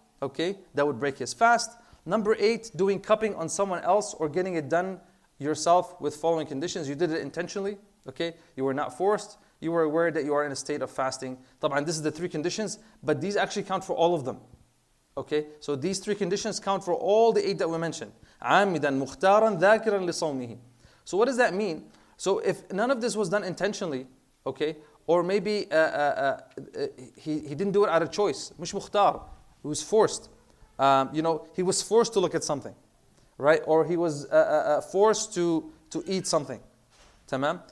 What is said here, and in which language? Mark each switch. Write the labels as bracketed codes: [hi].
[en] Okay, that would break his fast. Number eight, doing cupping on someone else or getting it done yourself with following conditions. You did it intentionally. Okay, you were not forced. You were aware that you are in a state of fasting. طبعاً, this is the three conditions, but these actually count for all of them. Okay, so these three conditions count for all the eight that we mentioned. [ar] عامداً مختاراً ذاكراً لصومه. [en] So what does that mean? So if none of this was done intentionally, okay, or maybe he didn't do it out of choice. [ar] مش مختار. [en] He was forced, you know, he was forced to look at something, right? Or he was forced to eat something, tamam?